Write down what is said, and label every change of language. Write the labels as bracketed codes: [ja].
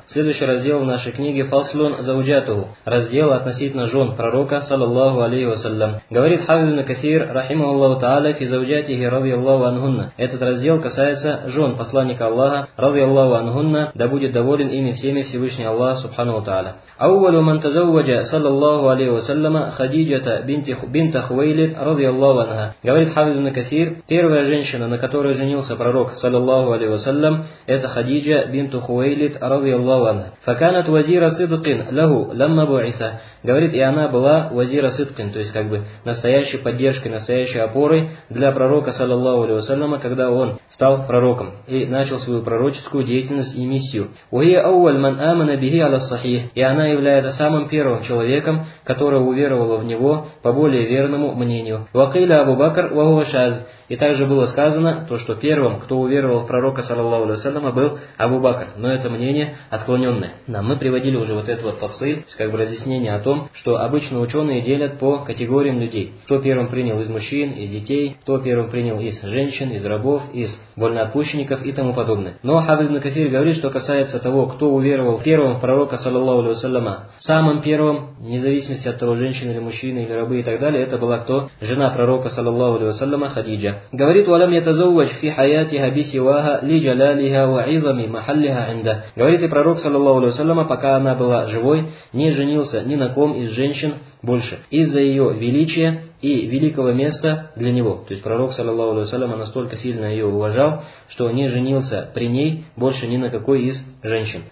[ru] Следующий раздел в нашей книге «Фаслун заужатуху» – раздел относительно жен пророка, саллаллаху алейхи ва саллям. Говорит Хафиз ибн Касир, рахимахуллаху тааля, фи заужатихи, радиаллаху анхунна. Этот раздел касается жен посланника Аллаха, радиаллаху анхунна, да будет доволен ими всеми Всевышний Аллах, субханаху тааля. [ar] أول من تزوج صلى الله عليه وسلم خديجة بنت خويلد رضي الله عنها. [ru] Говорит Хафиз ибн Касир, первая женщина, на которой женился пророк صلى الله عليه وسلم, это [ar] خديجة بنت خويلد رضي الله عنها. فكانت وزير صدق له لما بعث. [ru] Говорит, и она была [ar] وزير صدق, [ru] то есть как бы настоящей поддержкой, настоящей опорой для пророка صلى الله عليه وسلم, когда он стал пророком и начал свою пророческую деятельность и миссию. [ar] وهي أول من آمن به على الصحيح. [ru] И она является самым первым человеком, который уверовал в него по более верному мнению. [ar] Вакиля Абу Бакр ва хуа шаз. [ru] И также было сказано то, что первым, кто уверовал в пророка, саллаллаху алейхи ва саллям, был Абу Бакр. Но это мнение отклоненное. Да, мы приводили уже вот этот вот тафсиль, как бы разъяснение о том, что обычно ученые делят по категориям людей. Кто первым принял из мужчин, из детей, кто первым принял из женщин, из рабов, из вольноотпущенников и тому подобное. Но Хафиз ибн Касир говорит, что касается того, кто уверовал первым в пророка, саллаллаху алейхи ва саллям, самым первым, вне зависимости от того, женщины или мужчины, или рабы и так далее, это была кто? Жена пророка, саллаллаху алейхи ва саллям, Хадиджа. Говорит, [ar] ولم يتزوج في حياتها بسواها لجلالها وعظم محلها عنده. [ru] Говорит, и пророк, саллаллаху алейхи ва саллям, пока она была живой, не женился ни на ком из женщин больше, из-за ее величия и великого места для него. То есть пророк, саллаллаху алейхи ва саллям, настолько сильно ее уважал, что не женился при ней больше ни на какой из женщин.